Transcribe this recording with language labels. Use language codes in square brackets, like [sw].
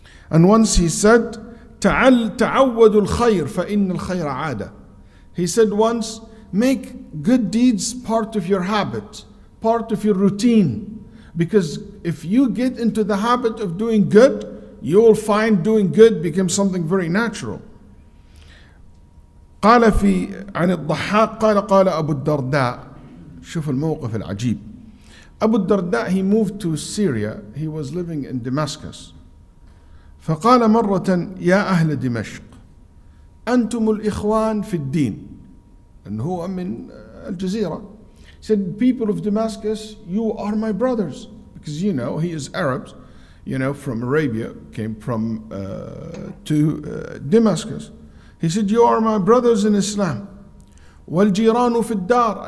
[en] And once he said, [ar] تَعَوَّدُ الْخَيْرِ فَإِنَّ الْخَيْرَ عَادَ. [en] He said once, make good deeds part of your habit, part of your routine. Because if you get into the habit of doing good, you will find doing good becomes something very natural. [ar] قال في عن الضحاك قال قال أبو الدرداء. شوف الموقف العجيب. أبو الدرداء, [en] he moved to Syria. He was living in Damascus. [ar] فقال مرة يا أهل دمشق أنتم الإخوان في الدين. And هو من الجزيرة. [en] Said, people of Damascus, you are my brothers. Because you know, he is Arabs, you know, from Arabia, came from to Damascus. He said, you are my brothers in Islam. [ar] وَالْجِيرَانُ فِي الدَّارِ.